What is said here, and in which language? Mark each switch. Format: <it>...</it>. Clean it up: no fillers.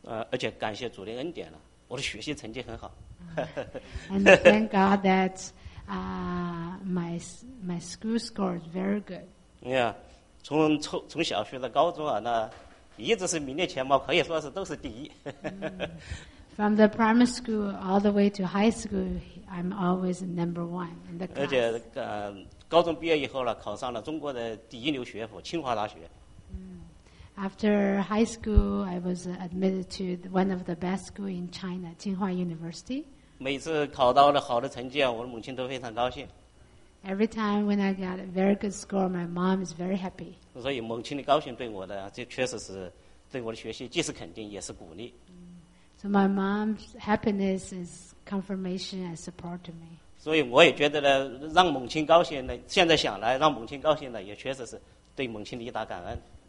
<zh>而且感谢主的恩典了，我的学习成绩很好。</zh> <en>And thank God that my school score is very good.</en> <zh>Yeah, 从小学到高中啊，那一直是名列前茅，可以说是都是第一。</zh> <en>From the primary school all the way to high school, I'm always number one in the class.</en> <zh>而且高中毕业以后呢，考上了中国的第一流学府清华大学。</zh> <en>After high school, I was admitted to one of the best schools in China, Tsinghua University.</en> <zh>每次考到了好的成绩，我的母亲都非常高兴。</zh> <en>Every time when I got a very good score, my mom is very happy.</en> <zh>所以母亲的高兴对我的，这确实是对我的学习既是肯定也是鼓励。</zh> <en>So my mom's happiness is confirmation and support to me.</en> <zh>所以我也觉得呢，让母亲高兴呢，现在想来，让母亲高兴呢，也确实是对母亲的一大感恩。</zh>